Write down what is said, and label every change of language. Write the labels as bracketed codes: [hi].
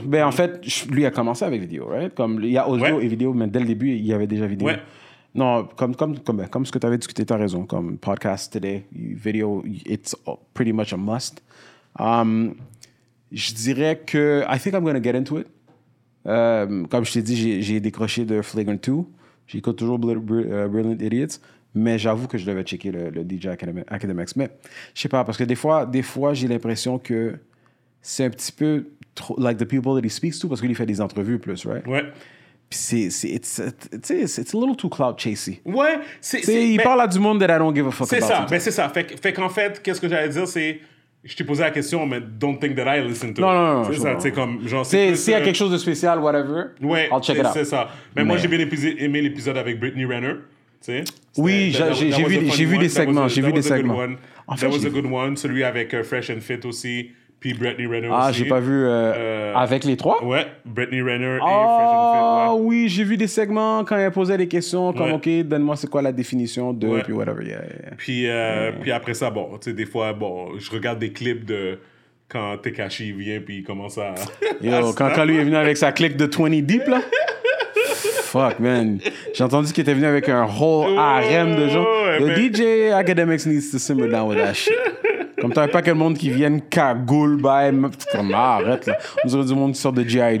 [fr] Ben, en fait, lui a commencé avec vidéo, right? Comme il y a audio et vidéo, mais dès le début, il y avait déjà vidéo. Ouais. Non, comme ce que tu avais discuté, t'as raison. Comme [en] podcast today, vidéo, it's pretty much a must. [fr] Je dirais que. [en] I think I'm going to get into it. [fr] Comme je t'ai dit, j'ai décroché de Flagrant 2. J'écoute toujours Brilliant Idiots, mais j'avoue que je devais checker le DJ Academics. Mais je sais pas, parce que des fois, j'ai l'impression que c'est un petit peu trop, [en] like the people that he speaks to, [fr] parce qu'il fait des entrevues plus, right? Ouais. [en] Puis it's a little too clout chasey. [fr] Ouais. Parle à du monde [en] that I don't give a fuck [fr] c'est [en] about. [fr] Ça, ben c'est ça. Fait qu'en fait, qu'est-ce que j'allais dire, c'est... Je t'ai posé la question, mais [en] don't think that I listen to [fr] non, [en] it. [fr] c'est ça, tu sais, comme... Genre, c'est s'il y a quelque chose de spécial, whatever, ouais, [en] I'll check it out. [fr] C'est ça. Mais moi, j'ai bien aimé l'épisode avec Brittany Renner, tu sais. Oui, j'ai vu des segments. [en] That was a good one. [fr] Celui avec Fresh and Fit aussi, puis Brittany Renner aussi. Ah, j'ai pas vu... avec les trois? Ouais, Brittany Renner et Fresh and Fit. Ah, oui, j'ai vu des segments quand elle posait des questions, comme, OK, donne-moi c'est quoi la définition de... Puis whatever, Puis après ça, bon, tu sais, des fois, bon, je regarde des clips de quand Tekashi vient puis il commence à... Yo, quand lui est venu avec sa clique de 20 deep, là... Fuck, man. J'ai entendu qu'il était venu avec un whole harem de gens. [en] DJ Academics needs to simmer down with that shit. [fr] Comme t'as un paquet de monde qui vienne cagoule, bye. Comme, arrête, là. Nous avons du monde qui sort de G.I.